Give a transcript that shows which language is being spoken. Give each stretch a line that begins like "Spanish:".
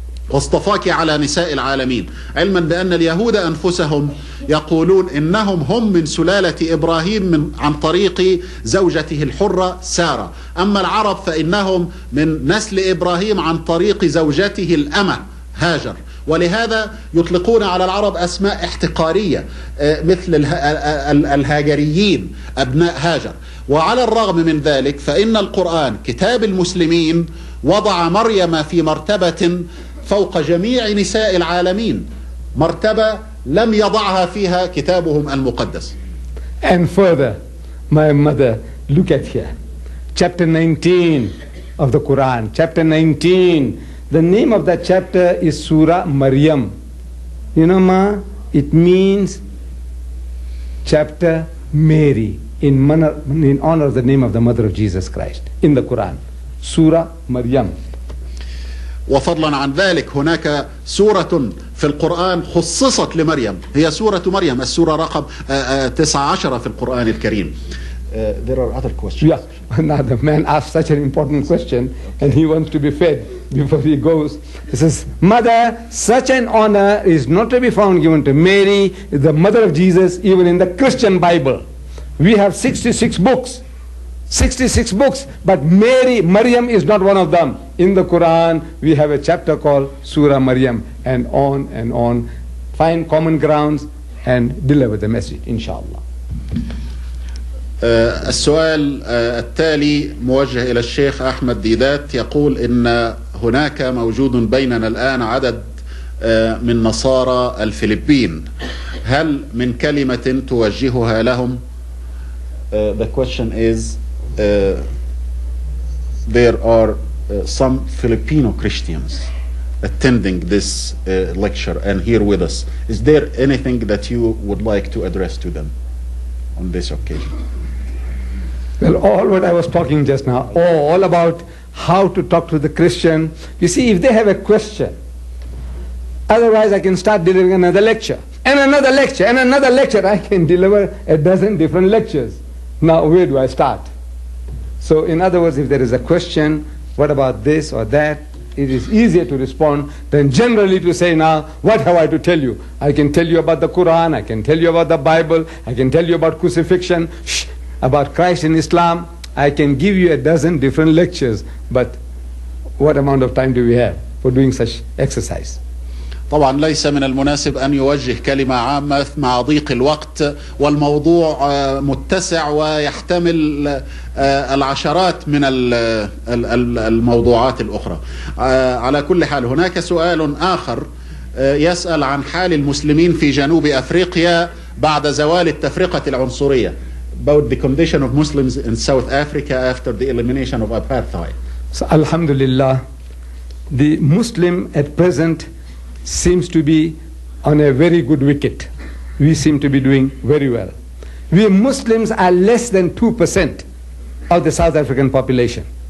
Arabic: واصطفاك على نساء العالمين، علما بأن اليهود أنفسهم يقولون إنهم هم من سلالة إبراهيم من عن طريق زوجته الحرة سارة، أما العرب فإنهم من نسل إبراهيم عن طريق زوجته الأمة هاجر، ولهذا يطلقون على العرب أسماء احتقارية مثل الهاجريين أبناء هاجر. وعلى الرغم من ذلك فإن القرآن كتاب المسلمين وضع مريم في مرتبة فوق جميع نساء العالمين، مرتبة لم يضعها فيها كتابهم المقدس.
English: And further, my mother, look at here. Chapter 19 of the Quran. Chapter 19. The name of that chapter is Surah Maryam. You know, Ma, it means chapter Mary in honor of the name of the mother of Jesus Christ in the Quran. Surah Maryam.
Arabic: وفضلا عن ذلك هناك سورة في القرآن خصصت لمريم، هي سورة مريم، السورة رقم 19 في القرآن الكريم.
English: There are other questions. Yeah. Now the man asked such an important question and he wants to be fed before he goes. He says, Mother, such an honor is not to be found given to Mary, the mother of Jesus, even in the Christian Bible. We have 66 books. 66 books, but Maryam is not one of them. In the Quran, we have a chapter called Surah Maryam, and on, find common grounds and deliver the message, inshallah.
Arabic: السؤال التالي موجه إلى الشيخ أحمد ديدات، يقول إن هناك موجود بيننا الآن عدد من نصارى الفلبين، هل من كلمة توجهها لهم؟
English: The question is, there are some Filipino Christians attending this lecture and here with us. Is there anything that you would like to address to them on this occasion? Well, all what I was talking just now, all about how to talk to the Christian. You see, if they have a question, otherwise I can start delivering another lecture and another lecture and another lecture. I can deliver a dozen different lectures. Now, where do I start? So in other words, if there is a question, what about this or that, it is easier to respond than generally to say, now, what have I to tell you? I can tell you about the Quran, I can tell you about the Bible, I can tell you about crucifixion, about Christ in Islam. I can give you a dozen different lectures, but what amount of time do we have for doing such exercise?
Arabic: طبعا ليس من المناسب أن يوجه كلمة عامة مع ضيق الوقت والموضوع متسع ويحتمل العشرات من الموضوعات الأخرى. على كل حال هناك سؤال آخر يسأل عن حال المسلمين في جنوب أفريقيا بعد زوال التفرقة العنصرية.
English: About the condition of Muslims in South Africa after the elimination of apartheid.
Arabic: الحمد لله.
English: The Muslim at present seems to be on a very good wicket. We seem to be doing very well. We Muslims are less than 2% of the South African population.